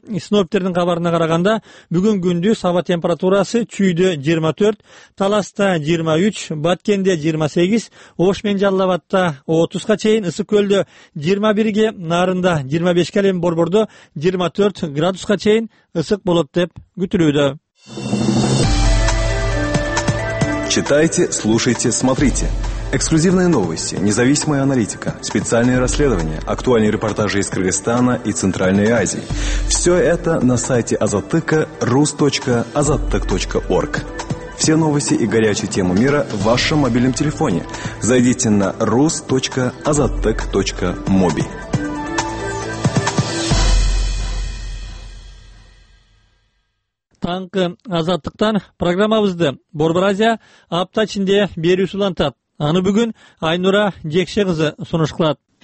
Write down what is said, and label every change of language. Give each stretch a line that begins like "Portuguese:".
Kyrgyz: Синоптиктердин кабарына караганда бүгүн күндүз аба температурасы Чүйдө 24, Таласта 23, Баткенде 28, Ош менен Жалал-Абадта 30 чейин, Ысык Көлдө 21, Нарында 25, ал эми Борбордо 24 градуска чейин ысык болот деп күтүлүүдө.
Russian: Читайте, слушайте, смотрите. Эксклюзивные новости, независимая аналитика, специальные расследования, актуальные репортажи из Кыргызстана и Центральной Азии. Все это на сайте azatyk.ru/azatyk.org. Все новости и горячие темы мира в вашем мобильном телефоне. Зайдите на rus.azatyk.mobi.
Kyrgyz: Таңкы азаттыктан программабызды Борбор Азия апта ичинде берүүсү улантат. Аны бүгүн Айнура Жекше кызы сунуш кылат.